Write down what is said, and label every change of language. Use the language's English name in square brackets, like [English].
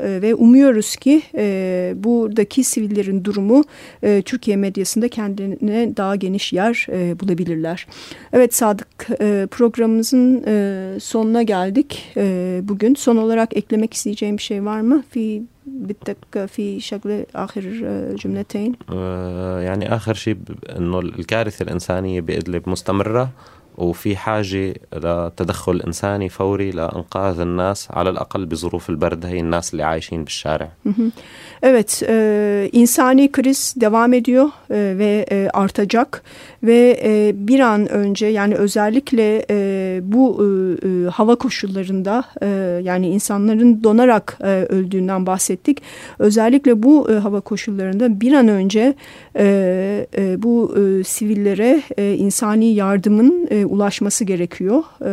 [Turkish] Ve umuyoruz ki buradaki sivillerin durumu Türkiye medyasında kendine daha geniş yer bulabilirler. Evet Sadık programımızın sonuna geldik bugün. Son olarak eklemek isteyeceğim bir şey var mı? [Arabic] بدك في شغلة آخر جملتين يعني آخر شيء أنه الكارثة الإنسانية بإدلب مستمرة وفي حاجة لتدخل إنساني فوري لإنقاذ الناس على الأقل بظروف البرد هي الناس اللي عايشين بالشارع. [Turkish] Evet, insani kriz devam ediyor ve artacak ve bir an önce yani özellikle bu hava koşullarında yani insanların donarak öldüğünden bahsettik. Özellikle bu hava koşullarında bir an önce bu sivillere insani yardımın ulaşması gerekiyor.